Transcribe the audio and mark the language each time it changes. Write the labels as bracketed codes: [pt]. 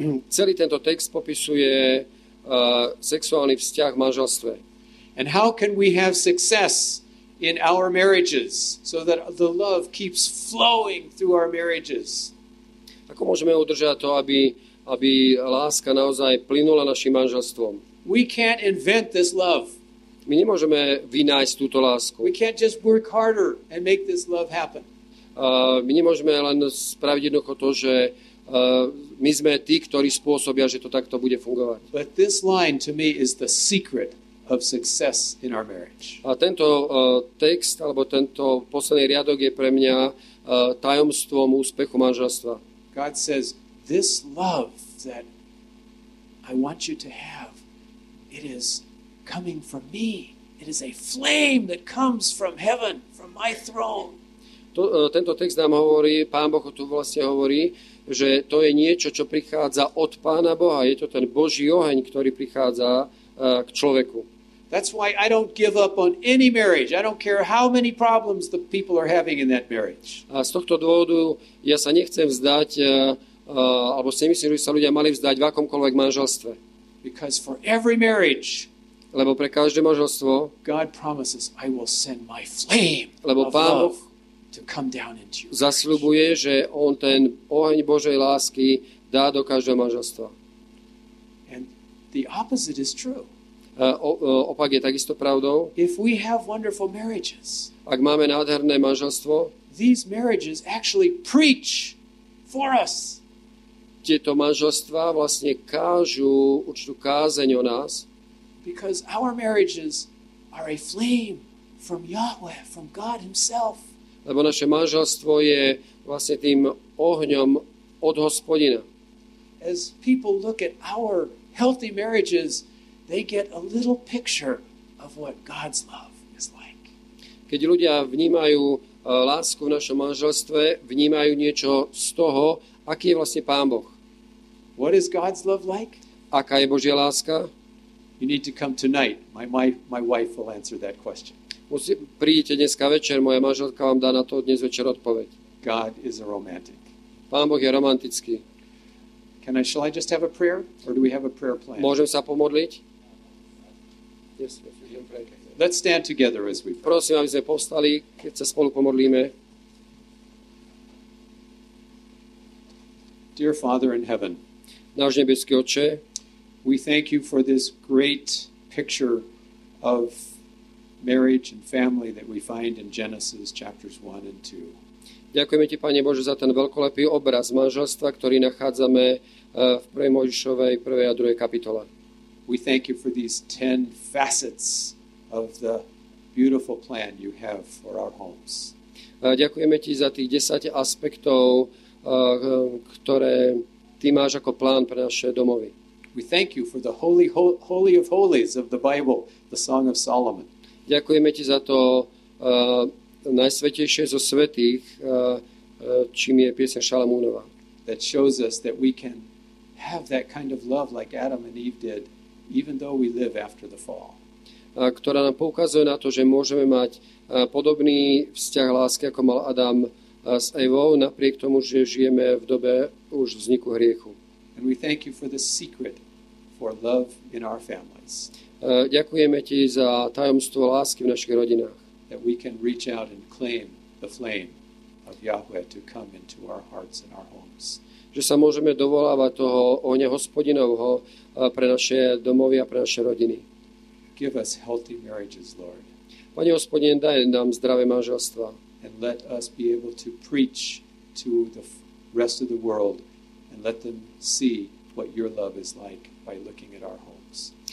[sk] Celý tento text popisuje sexuálny vzťah v manželstve. [en] And how can we have success in our marriages so that the love keeps flowing through our marriages? [sk] Ako môžeme udržať to, aby láska naozaj plynula našim manželstvom? [en] We can't invent this love. [sk] My nemôžeme vynájsť túto lásku. [en] We can't just work harder and make this love happen. [sk] My nemôžeme len spraviť jednoducho to, že my sme tí, ktorí spôsobia, že to takto bude fungovať. [en] But this line to me is the secret of success in our marriage. [sk] A tento text alebo tento posledný riadok je pre mňa tajomstvom úspechu manželstva. [en] God says this love that I want you to have, it is coming from me. It is a flame that comes from heaven, from my throne. [sk] Tento text nám hovorí, Pán Boh tu vlastne hovorí, že to je niečo, čo prichádza od Pána Boha, je to ten Boží oheň, ktorý prichádza k človeku. [en] That's why I don't give up on any marriage. I don't care how many problems the people are having in that marriage. [sk] A z tohto dôvodu ja sa nechcem vzdať, alebo si myslím, že sa ľudia mali vzdať v akomkoľvek manželstve. [en] Because for every marriage, [sk] lebo pre každé manželstvo, [en] God promises I will send my flame. [sk] Lebo Pán Boh [en] to come down into you. [sk] Zasľubuje, že on ten oheň Božej lásky dá do každého manželstva. [en] And the opposite is true. [sk] opak je takisto pravdou. [en] If we have wonderful marriages, [sk] ak máme nádherné manželstvo, [en] these marriages actually preach for us. [sk] Tieto manželstvá vlastne kážu určitú kázeň o nás. [en] Because our marriages are a flame from Yahweh, from God himself. [sk] Lebo naše manželstvo je vlastne tým ohňom od Hospodina. [en] As people look at our healthy marriages, they get a little picture of what God's love is like. [sk] Keď ľudia vnímajú lásku v našom manželstve, vnímajú niečo z toho, aký je vlastne Pán Boh. [en] What is God's love like? [sk] Aká je Božia láska? [en] You need to come tonight. My wife will answer that question. [sk] Prídite dneska večer, moja manželka vám dá na to dnes večer odpoveď. [en] God is a romantic. [sk] Pán Boh je romantický. [en] Shall I just have a prayer, or do we have a prayer plan? [sk] Môžem sa pomodliť? [en] Yes, let's stand together as we pray. [sk] Prosím, aby sme povstali, keď sa spolu pomodlíme. [en] Dear Father in heaven, [sk] náš nebeský Otče, [en] we thank you for this great picture of marriage and family that we find in Genesis chapters 1 and 2. [sk] Ďakujeme ti, Pane Bože, za ten veľkolepý obraz manželstva, ktorý nachádzame v 1. Mojžišovej 1. a 2. kapitole. [en] We thank you for these 10 facets of the beautiful plan you have for our homes. [sk] Ďakujeme ti za tých 10 aspektov, ktoré ty máš ako plán pre naše domovy. [en] We thank you for the holy of holies of the Bible, the Song of Solomon. [sk] Ďakujeme ti za to najsvetejšie zo svätých, čím je pieseň Šalamúnova. [en] That shows us that we can have that kind of love like Adam and Eve did, even though we live after the fall. [sk] Ktorá nám poukazuje na to, že môžeme mať podobný vzťah lásky, ako mal Adam s Evou, napriek tomu, že žijeme v dobe už vzniku hriechu. [en] And we thank you for the secret for love in our families. [sk] Ďakujeme ti za tajomstvo lásky v našich rodinách. [en] That we can reach out and claim the flame of Yahweh to come into our hearts and our homes. [sk] Že sa môžeme dovolávať toho ohňa Hospodinovho pre naše domovy a pre naše rodiny. [en] Give us healthy marriages, Lord. [sk] Pane Hospodine, daj nám zdravé manželstva. [en] And let us be able to preach to the rest of the world and let them see what your love is like by looking at our homes.